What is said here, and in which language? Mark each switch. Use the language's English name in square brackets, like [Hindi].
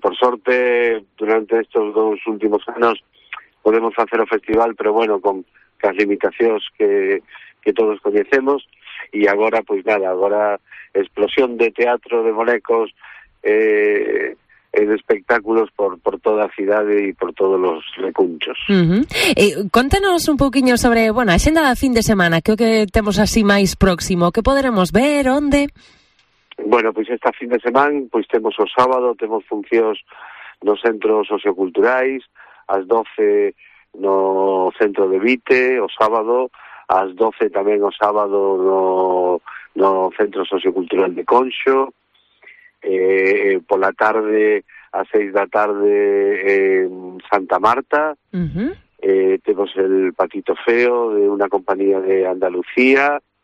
[Spanish] Por suerte, durante estos 2 últimos años podemos hacer el festival, pero bueno, con las limitaciones que todos conocemos. Y ahora, pues nada, ahora explosión de teatro, de bolecos, de espectáculos [Galician] por toda a cidade e por todos os recunchos. Uh-huh. Contanos un poquinho sobre, bueno, a xenda da fin de semana, creo que temos así máis próximo. Que poderemos ver? Onde? Bueno, pois esta fin de semana, pois temos o sábado, temos funcións nos centros socioculturais, ás 12 no centro de Vite, o sábado, ás 12 tamén o sábado no centro sociocultural de Conxo, pola tarde, a 6 da tarde, en Santa Marta. Uh-huh. Temos [Spanish] el Patito Feo, de una compañía de Andalucía.